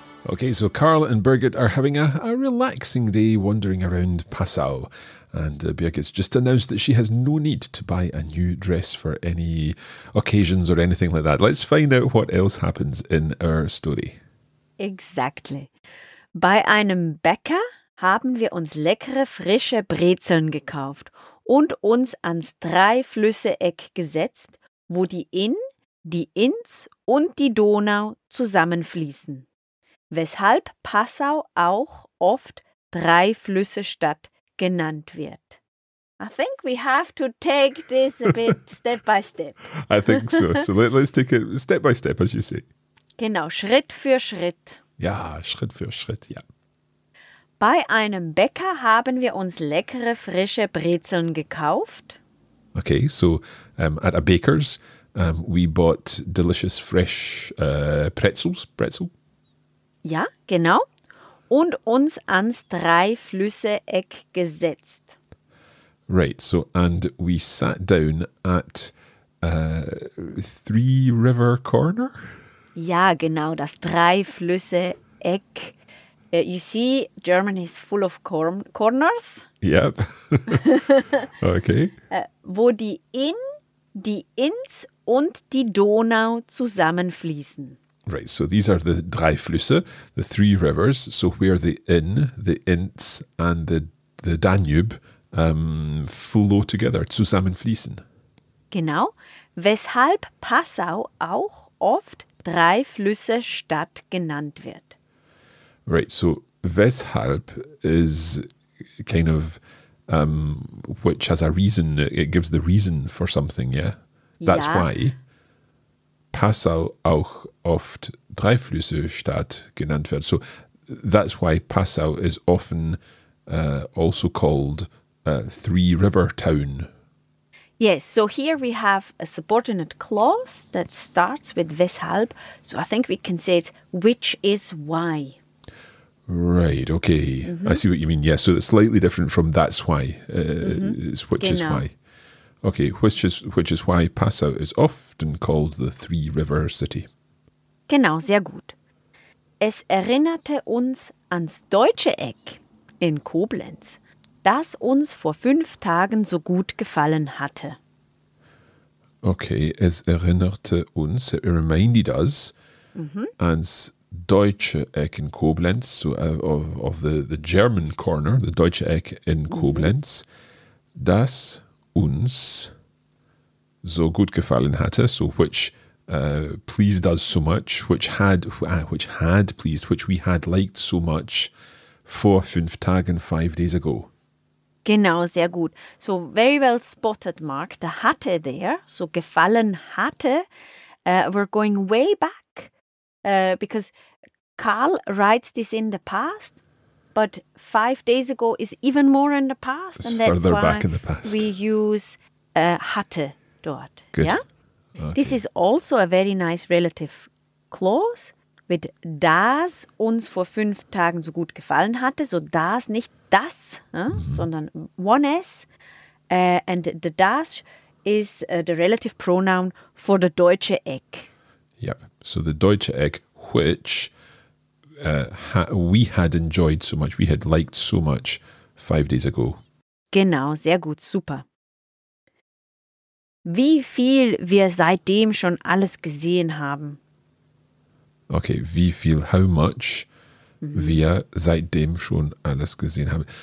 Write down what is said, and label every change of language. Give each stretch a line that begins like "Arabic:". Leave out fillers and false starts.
English: Okay, so Carl and Birgit are having a relaxing day wandering around Passau. And Birgit's just announced that she has no need to buy a new dress for any occasions or anything like that. Let's find out what else happens in our story. Exactly.
German: Bei einem Bäcker haben wir uns leckere, frische Brezeln gekauft und uns ans Dreiflüsse-Eck gesetzt, wo die Inn, die Inns und die Donau zusammenfließen. Weshalb Passau auch oft Dreiflüsse-Stadt genannt wird.
English: I think we have to take this a bit step by step. I think so. So let's take it step by step, as you say.
German: Genau, Schritt für Schritt. Ja, Schritt für Schritt, ja. Bei einem Bäcker haben wir uns leckere, frische Brezeln gekauft.
English: Okay, so at a baker's, we bought delicious, fresh pretzel.
German: Ja, genau. Und uns ans Dreiflüsse-Eck gesetzt.
English: Right, so, and we sat down at Three River Corner?
German: Ja, genau, das Dreiflüsse-Eck.
English: You see, Germany is full of corners. Yep. Okay.
German: Wo die Inn, die Inns und die Donau zusammenfließen.
English: Right, so these are the Dreiflüsse, the three rivers. So where the Inn, the Inns and the Danube flow together, zusammenfließen.
German: Genau, weshalb Passau auch oft Dreiflüsse-Stadt genannt wird.
English: Right, so weshalb is kind of which has a reason, it gives the reason for something, yeah? That's why
German: Passau auch oft Dreiflüsse-Stadt genannt wird.
English: So that's why Passau is often also called Three River Town. Yes, so here we have a subordinate clause that starts with weshalb. So I think we can say it's which is why. Right, okay. Mm-hmm. I see what you mean. Yeah, so it's slightly different from that's why, is which genau. Is why. Okay, which is why Passau is often called the Three River City.
German: Genau, sehr gut. Es erinnerte uns ans Deutsche Eck in Koblenz, das uns vor 5 Tagen so gut gefallen hatte.
English: Okay,
German: es erinnerte uns,
English: it reminded us, mm-hmm. ans Deutsche Eck in Koblenz, so of the German corner, the Deutsche Eck in Koblenz,
German: das uns so gut gefallen hatte,
English: so which pleased us so much, which we had liked so much
German: vor 5 Tagen,
English: 5 days ago.
German: Genau, sehr gut.
English: So very well spotted, Mark. The hatte there,
German: so gefallen hatte.
English: We're going way back because Karl writes this in the past, but 5 days ago is even more in the past. It's and that's further why back in the past. We use
German: hatte dort.
English: Good. Yeah? Okay. This is also a very nice relative clause with
German: das uns vor 5 Tagen so gut gefallen hatte. So das, nicht das, sondern
English: one S. And the das is the relative pronoun for the Deutsche Eck. Yep. So the Deutsche Eck, which... we had enjoyed so much, we had liked so much 5 days ago.
German: Genau, sehr gut, super. Wie viel wir seitdem schon alles gesehen haben. Okay, wie viel,
English: how much
German: wir seitdem schon alles gesehen haben.